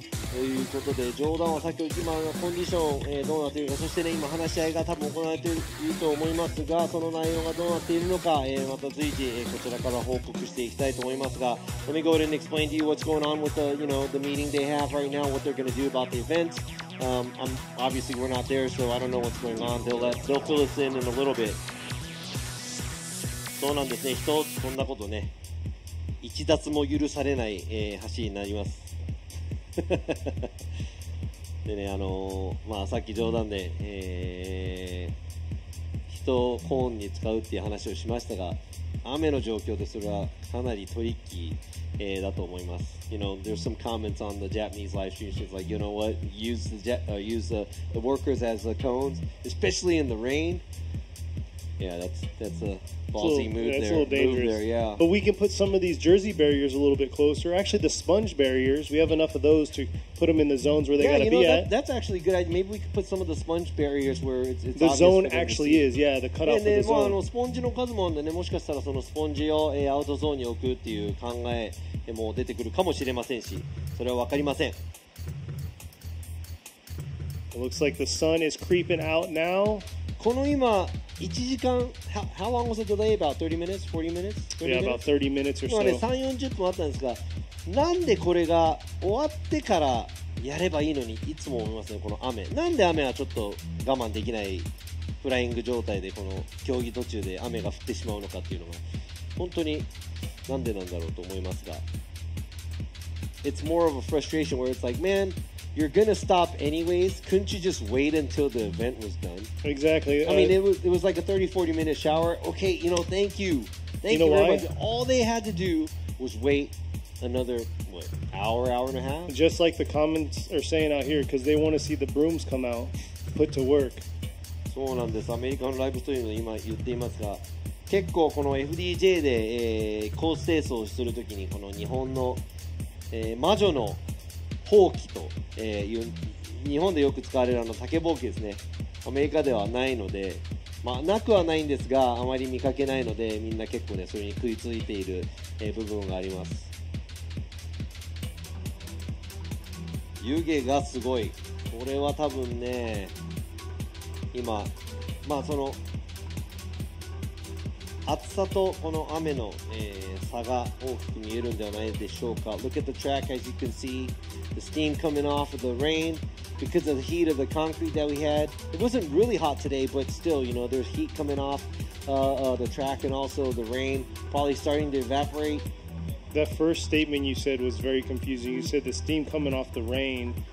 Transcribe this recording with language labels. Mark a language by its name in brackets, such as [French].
[Japanese] ということで、冗談は先ほど今のコンディション、どうなっているか、そしてね、今話し合いが多分行われていると思いますが、その内容がどうなっているのか、また随時、こちらから報告していきたいと思いますが、 [English] Let me go ahead and explain to you what's going on with the, you know, the meeting they have right now, what they're going to do about the event. Obviously we're not there, so I don't know what's going on. They'll fill us in a little bit. [Japanese] そうなんですね、人こんなことね、一脱も許されない、走りになります。でね、まあ、さっき冗談で、人をコーンに使うっていう話をしましたが、雨の状況でそれはかなりトリッキー、だと思います。 [English] You know, there's some comments on the Japanese live stream. She's like, you know what, use the workers as the cones, especially in the rain. Yeah, that's aa little dangerous. But we can put some of these jersey barriers a little bit closer. Actually, the sponge barriers, we have enough of those to put them in the zones where they got to be at. That's actually a good idea. Maybe we could put some of the sponge barriers where it's the zone actually is. Yeah, the cutoff of the zone. And then, [Japanese] スポンジの数もあるんでね、もしかしたらそのスポンジをアウトゾーンに置くっていう考えでも出てくるかもしれませんし、それは分かりません。 [English] It looks like the sun is creeping out now. [Japanese] この今1時間 [English] how long was the delay? About 30 minutes? 40 minutes? Yeah, about 30 minutes or so. [Japanese] 3-40 分あったんですが、なんでこれが終わってからやればいいのにいつも思いますね、この雨。なんで雨はちょっと我慢できないフライング状態で、この競技途中で雨が降ってしまうのかっていうのが、本当になんでなんだろうと思いますが [English] It's more of a frustration where it's like, man, you're gonna stop anyways. Couldn't you just wait until the event was done? Exactly. I mean, it was like a 30-40 minute shower. Okay, you know, thank you very much. All they had to do was wait another, what, hour and a half? Just like the comments are saying out here, because they want to see the brooms come out, put to work. [Japanese] そうなんです。アメリカのライブストリームで今言っていますが、結構この FDJ で、コース清掃をするときに、この日本の、魔女の放棄と、いう、日本でよく使われるあの竹ぼうきですね。アメリカではないので、まあ、なくはないんですが、あまり見かけないので、みんな結構ね、それに食いついている、部分があります。湯気がすごい。これは多分ね、今、まあその、暑さとこの雨の、差が大きく見えるんではないでしょうか。 [English] Look at the track, as you can see, the steam coming off of the rain because of the heat of the concrete that we had. It wasn't really hot today, but still, you know, there's heat coming off the track and also the rain probably starting to evaporate. That first statement you said was very confusing. You said the steam coming off the rain,